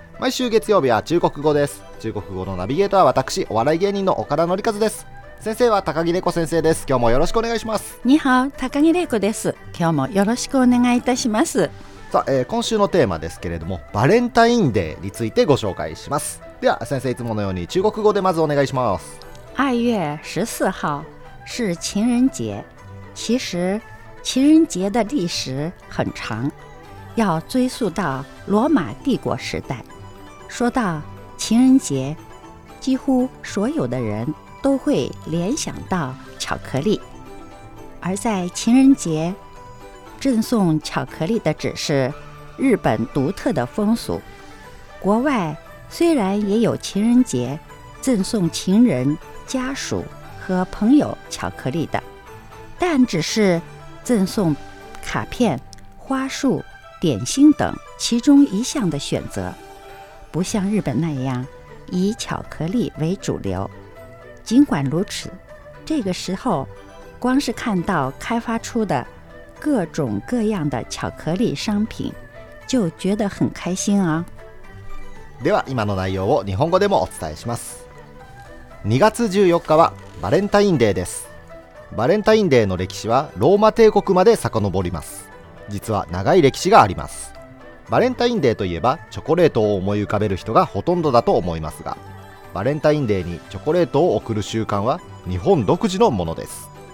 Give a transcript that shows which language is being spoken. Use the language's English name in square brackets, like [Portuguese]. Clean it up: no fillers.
[Japanese] 毎週月曜日は中国語です。中国語のナビゲーターは私、お笑い芸人の岡田紀一です。先生は高木玲子先生です。今日もよろしくお願いします。ニハオ、高木玲子です。今日もよろしくお願いいたします。さあ、今週のテーマですけれども、バレンタインデーについてご紹介します。では先生、いつものように中国語でまずお願いします。 [Chinese] 2月14号是情人节，其实情人节的历史很长，要追溯到罗马帝国时代。说到情人节，几乎所有的人都会联想到巧克力。而在情人节，赠送巧克力的只是日本独特的风俗。国外虽然也有情人节赠送情人、家属和朋友巧克力的，但只是赠送卡片、花束、点心等其中一项的选择，不像日本那样以巧克力为主流。尽管如此，这个时候光是看到开发出的各种各样的巧克力商品就觉得很开心啊。 [Japanese] では今の内容を日本語でもお伝えします。2月14日はバレンタインデーです。バレンタインデーの歴史はローマ帝国まで遡ります。実は長い歴史があります。バレンタインデーといえばチョコレートを思い浮かべる人がほとんどだと思いますが、バレンタインデーにチョコレートを贈る習慣は日本独自のものです。